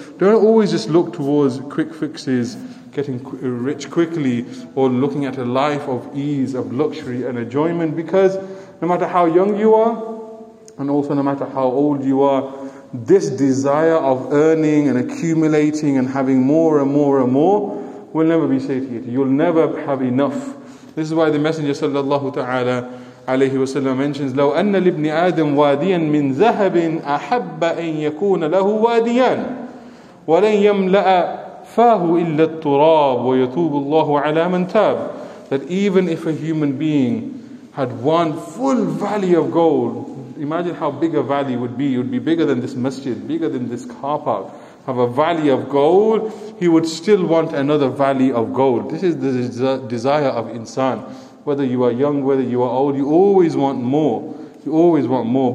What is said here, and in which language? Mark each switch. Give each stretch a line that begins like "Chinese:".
English: don't always just look towards quick fixes, getting rich quickly, or looking at a life of ease, of luxury and enjoyment, because no matter how young you are, and also no matter how old you are, this desire of earning and accumulating and having more and more and more will never be satiated. You'll never have enough. This is why the Messenger sallallahu ta'ala alayhi wa sallam mentions,
Arabic: لَوْ أَنَّ لِبْنِ آدَمْ وَادِيًا مِنْ ذَهَبٍ أَحَبَّ أَنْ يَكُونَ لَهُ وَادِيًا وَلَنْ يَمْلَأَ فَاهُ إِلَّا التُّرَابُ وَيَتُوبُ اللَّهُ عَلَى مَنْ تَابُ.
English: That even if a human being had one full valley of gold, imagine how big a valley would be. It would be bigger than this masjid, bigger than this car park. Have a valley of gold, he would still want another valley of gold. This is the desire of insan. Whether you are young, whether you are old, you always want more. You always want more.